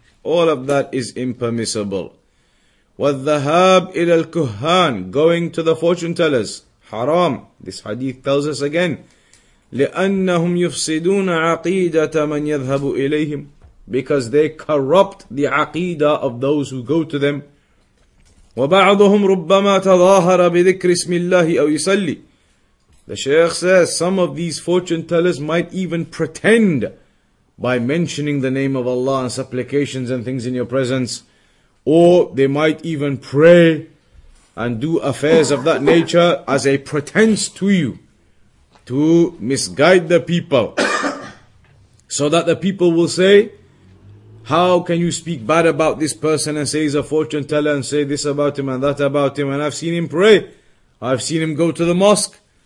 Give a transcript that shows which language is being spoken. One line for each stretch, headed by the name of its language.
English: All of that is impermissible.
Arabic: والذهاب إلى الكهان,
English: going to the fortune tellers, haram. This hadith tells us again,
Arabic: لأنهم يفسدون عقيدة من يذهب إليهم,
English: because they corrupt the عقيدة of those who go to them.
Arabic: وبعضهم ربما تظاهر بذكر اسم الله أو يصلي.
English: The Shaykh says some of these fortune tellers might even pretend by mentioning the name of Allah and supplications and things in your presence, or they might even pray and do affairs of that nature as a pretense to you, to misguide the people, so that the people will say, how can you speak bad about this person and say he's a fortune teller and say this about him and that about him, and I've seen him pray, I've seen him go to the mosque.